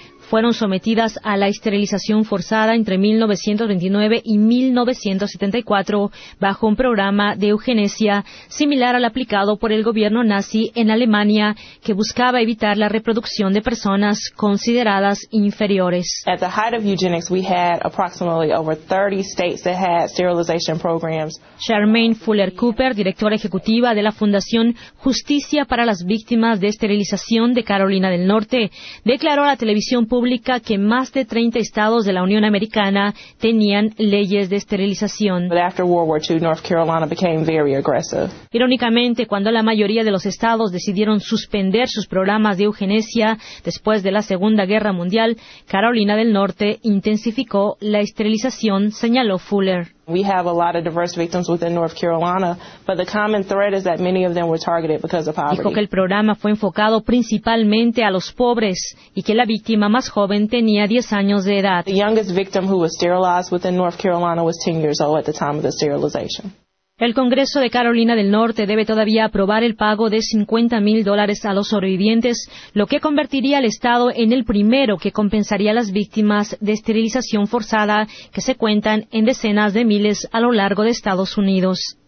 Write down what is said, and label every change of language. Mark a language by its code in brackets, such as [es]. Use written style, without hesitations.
[es] Fueron sometidas a la esterilización forzada entre 1929 y 1974 bajo un programa de eugenesia similar al aplicado por el gobierno nazi en Alemania, que buscaba evitar la reproducción de personas consideradas inferiores. [en] At the height of eugenics, we had approximately over 30 states that had sterilization programs. [es] Charmaine Fuller Cooper, directora ejecutiva de la Fundación Justicia para las Víctimas de Esterilización de Carolina del Norte, declaró a la televisión pública que más de 30 estados de la Unión Americana tenían leyes de esterilización. [en] After World War II, North Carolina became very aggressive. [es] Irónicamente, cuando la mayoría de los estados decidieron suspender sus programas de eugenesia después de la Segunda Guerra Mundial, Carolina del Norte intensificó la esterilización, señaló Fuller. [en] We have a lot of diverse victims within North Carolina, but the common thread is that many of them were targeted because of poverty. [es] Dijo que el programa fue enfocado principalmente a los pobres y que la víctima más joven tenía 10 años de edad. [en] The youngest victim who was sterilized within North Carolina was 10 years old at the time of the sterilization. [es] El Congreso de Carolina del Norte debe todavía aprobar el pago de $50,000 a los sobrevivientes, lo que convertiría al estado en el primero que compensaría a las víctimas de esterilización forzada, que se cuentan en decenas de miles a lo largo de Estados Unidos.